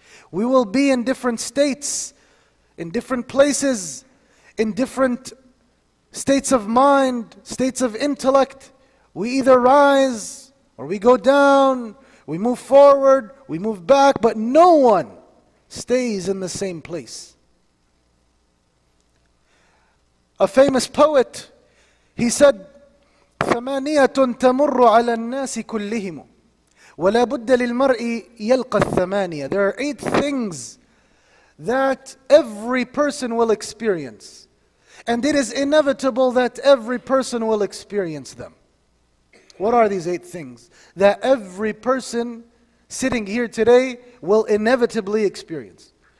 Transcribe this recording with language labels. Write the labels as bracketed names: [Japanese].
[English] We will be in different states, in different places, in different states of mind, states of intellect. We either rise or we go down, we move forward, we move back, but no one stays in the same place. A famous poet, he said, [Arabic] ثَمَانِيَةٌ تَمُرُّ عَلَى النَّاسِ كُلِّهِمُ وَلَا بُدَّ لِلْمَرْءِ يَلْقَ الثَّمَانِيَةِ. [English] There are 8 things that every person will experience, and it is inevitable that every person will experience them. What are these 8 things that every person sitting here today will inevitably experience?